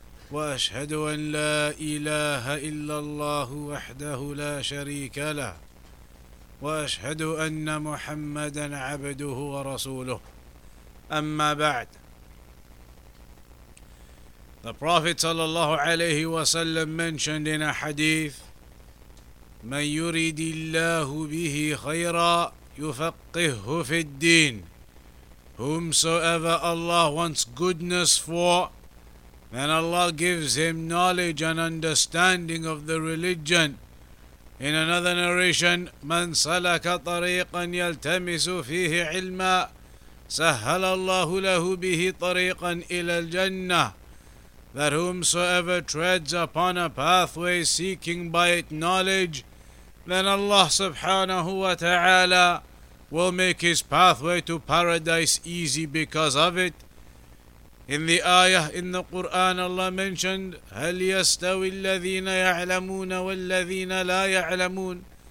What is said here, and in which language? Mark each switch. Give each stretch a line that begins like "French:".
Arabic: وأشهد أن لا إله إلا الله وحده لا شريك له، وأشهد أن محمدا عبده ورسوله. أما بعد،
English: the Prophet
Arabic: صلى الله عليه وسلم
English: mentioned in a hadith:
Arabic: من يريد الله به خيرا يفقهه في الدين.
English: Whomsoever Allah wants goodness for, then Allah gives him knowledge and understanding of the religion. In another narration,
Arabic: من سلك طريقا يلتمس فيه علما سهل الله له به طريقا إلى الجنة.
English: That whomsoever treads upon a pathway seeking by it knowledge, then Allah subhanahu wa ta'ala will make his pathway to paradise easy because of it. In the ayah in the Quran, Allah mentioned,
Arabic: هَلْ يَسْتَوِي الَّذِينَ يَعْلَمُونَ وَالَّذِينَ لَا يَعْلَمُونَ.